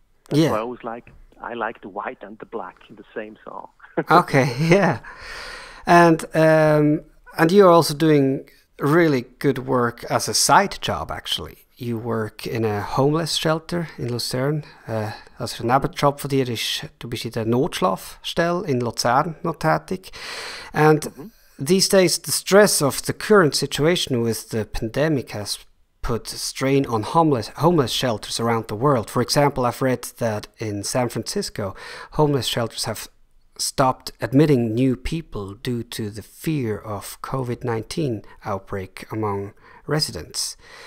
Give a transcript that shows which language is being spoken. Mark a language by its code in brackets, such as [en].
[en] That's yeah. Why I always like the white and the black in the same song. Okay, yeah. And you're also doing really good work as a side job, actually. You work in a homeless shelter in Luzern. [de] Also ein Nebenjob von dir ist, du bist in der Notschlafstelle in Luzern noch tätig. [en] And these days, the stress of the current situation with the pandemic has put strain on homeless shelters around the world. For example, I've read that in San Francisco, homeless shelters have stopped admitting new people due to the fear of COVID-19 outbreak among residents.